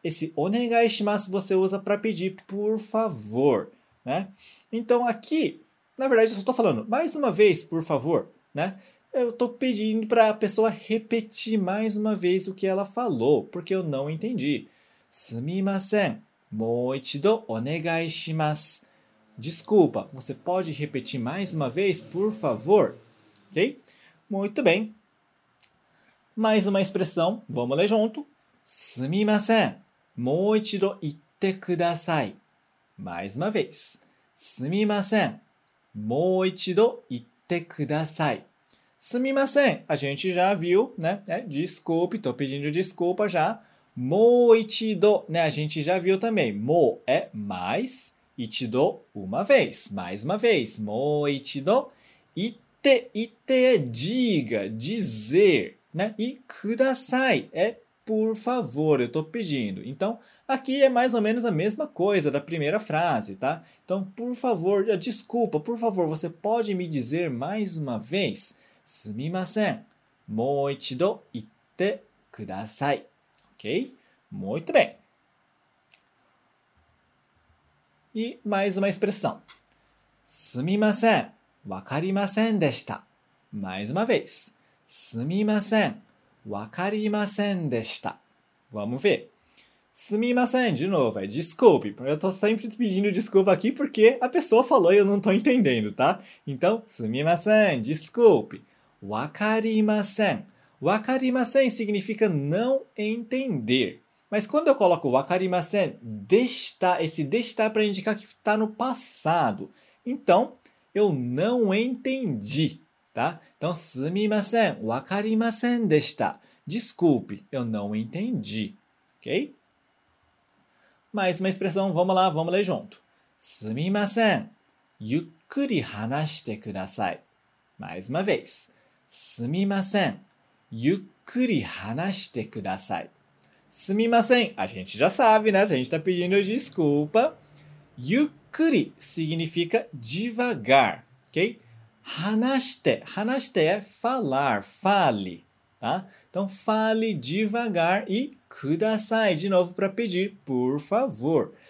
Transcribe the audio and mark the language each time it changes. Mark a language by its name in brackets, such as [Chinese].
[Portuguese] Esse onegaishimasu você usa para pedir por favor, né? Então, aqui, na verdade, eu só estou falando mais uma vez, por favor, né? Eu estou pedindo para a pessoa repetir mais uma vez o que ela falou, porque eu não entendi. [Japanese] Sumimasen. もう一度お願いします。 [Portuguese] Desculpa, você pode repetir mais uma vez, por favor? Ok? Muito bem. Mais uma expressão, vamos ler junto. [Japanese] すみません。もう一度言ってください。 [Portuguese] Mais uma vez. [Japanese] すみません。もう一度言ってください。すみません。 [Portuguese] A gente já viu, né? Desculpe, estou pedindo desculpa já. [Japanese] Mo ichido, [Portuguese] né? A gente já viu também. Mo é mais, ichido, uma vez. Mais uma vez. [Japanese] Mo ichido. [Portuguese] Ite é diga, dizer, né? E kudasai é por favor, eu estou pedindo. Então, aqui é mais ou menos a mesma coisa da primeira frase, tá? Então, por favor, desculpa, por favor, você pode me dizer mais uma vez? [Japanese] Sumimasen. Mo ichido, ite kudasai. [Portuguese] Ok? Muito bem. E mais uma expressão. [Japanese] すみません, わかりませんでした. [Portuguese] Mais uma vez. [Japanese] すみません, わかりませんでした. [Portuguese] Vamos ver. [Japanese] すみません, [Portuguese] de novo, é desculpe. Eu estou sempre pedindo desculpa aqui porque a pessoa falou e eu não estou entendendo, tá? Então, [Japanese] すみません, [Portuguese] desculpe. [Japanese] わかりません. わかりません [Portuguese] significa não entender. Mas quando eu coloco [Japanese] わかりません, [Portuguese] deixa, esse deixa para indicar que está no passado. Então, eu não entendi, tá? [Japanese] Então, すみません, わかりませんでした. [Portuguese] Desculpe, eu não entendi, ok? Mais uma expressão, vamos ler junto. [Japanese] すみません, ゆっくり話してください. [Portuguese] Mais uma vez. [Japanese] すみません, ゆっくり話してください. すみません, [Portuguese] a gente já sabe, né? A gente está pedindo desculpa. ゆっくり significa devagar, ok? [Japanese] 話して, 話して [Portuguese] é falar, fale, tá? Então, fale devagar e ください, de novo, para pedir, por favor.